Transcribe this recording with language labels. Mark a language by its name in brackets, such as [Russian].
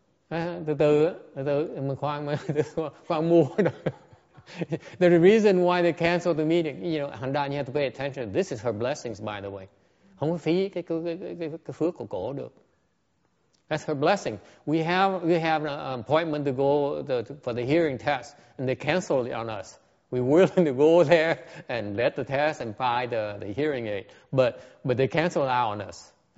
[English] The reason why they canceled the meeting, you know, Hằng Đan, you have to pay attention. This is her blessings, by the way. [Vietnamese] Không có phí cái phước của cổ được. [English] That's her blessing. We have an appointment to go for the hearing test, and they canceled it on us. We were willing to go there and let the test and buy the hearing aid, but they canceled out on us.